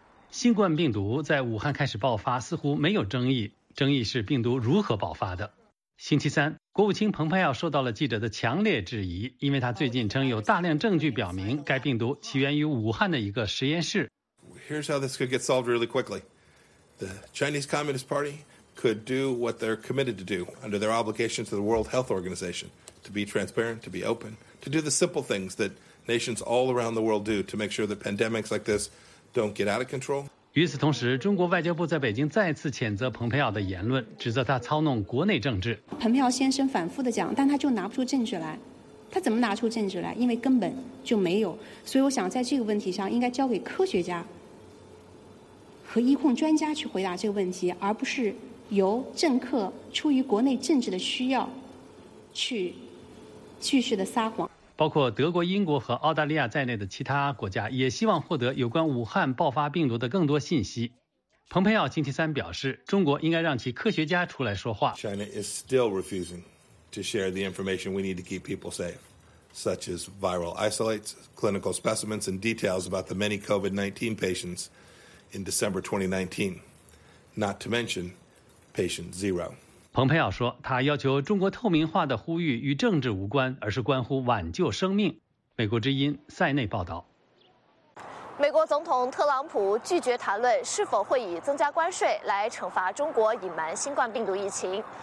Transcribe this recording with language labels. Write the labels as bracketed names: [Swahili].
[Chinese] 新冠病毒在武汉开始爆发似乎没有争议，争议是病毒如何爆发的。星期三，国务卿蓬佩奥受到了记者的强烈质疑，因为他最近称有大量证据表明该病毒起源于武汉的一个实验室。 [English] Here's how this could get solved really quickly. The Chinese Communist Party could do what they're committed to do under their obligations to the World Health Organization to be transparent, to be open, to do the simple things that nations all around the world do to make sure that pandemics like this don't get out of control. [Chinese] 与此同时，中国外交部在北京再次谴责蓬佩奥的言论，指责他操弄国内政治。蓬佩奥先生反复地讲，但他就拿不出证据来。他怎么拿出证据来？因为根本就没有。所以我想在这个问题上应该交给科学家和疫控专家去回答这个问题，而不是由政客出于国内政治的需要去继续的撒谎。包括德国、英国和澳大利亚在内的其他国家也希望获得有关武汉爆发病毒的更多信息。蓬佩奥星期三表示，中国应该让其科学家出来说话。 [English] China is still refusing to share the information we need to keep people safe, such as viral isolates, clinical specimens, and details about the many COVID-19 patients in December 2019, not to mention patient zero. [Chinese] 蓬佩奥说，他要求中国透明化的呼吁与政治无关，而是关乎挽救生命。美国之音塞内报道。美国总统特朗普拒绝谈论是否会以增加关税来惩罚中国隐瞒新冠病毒疫情。